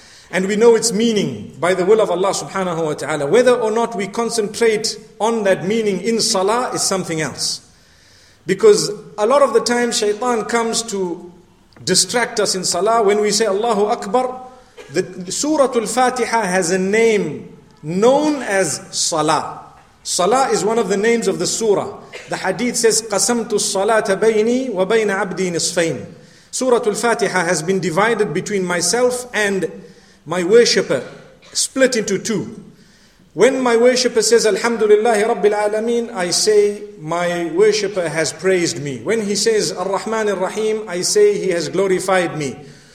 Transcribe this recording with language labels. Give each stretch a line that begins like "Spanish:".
English: And we know its meaning by the will of Allah subhanahu wa ta'ala. Whether or not we concentrate on that meaning in salah is something else. Because a lot of the time shaitan comes to distract us in salah. When we say Allahu Akbar, the Surah Al-Fatiha has a name known as salah. Salah is one of the names of the surah. The hadith says,
Arabic: قَسَمْتُ الصَّلَاةَ بَيْنِي وَبَيْنَ عَبْدِي نِصْفَيْنِ.
English: Surah Al-Fatiha has been divided between myself and my worshipper, split into two. When my worshipper says, Alhamdulillahi Rabbil Alameen, I say, my worshipper has praised me. When he says, Ar-Rahman Ar-Rahim, I say, he has glorified me.